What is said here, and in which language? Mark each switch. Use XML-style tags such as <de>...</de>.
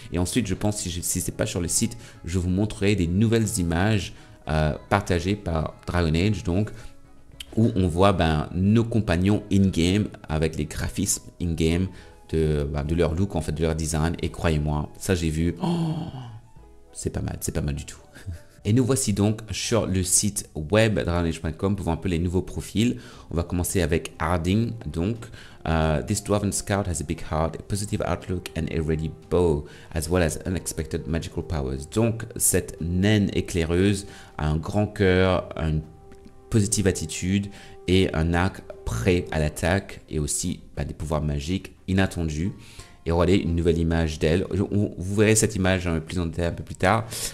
<fr>Et ensuite, je pense, si ce n'est pas sur le site, je vous montrerai des nouvelles images partagées par Dragon Age, donc, où on voit nos compagnons in-game avec les graphismes in-game de leur look, en fait, de leur design. Et croyez-moi, ça, j'ai vu. Oh, c'est pas mal du tout. Et nous voici donc sur le site web dragonage.com pour voir un peu les nouveaux profils. On va commencer avec Harding.</fr> <en>Donc, this dwarven scout has a big heart, a positive outlook and a ready bow, as well as unexpected magical powers.</en> <fr>Donc, cette naine éclaireuse a un grand cœur, une positive attitude et un arc prêt à l'attaque et aussi des pouvoirs magiques inattendus. Et regardez une nouvelle image d'elle. Vous verrez cette image plus en détail un peu plus tard.</fr>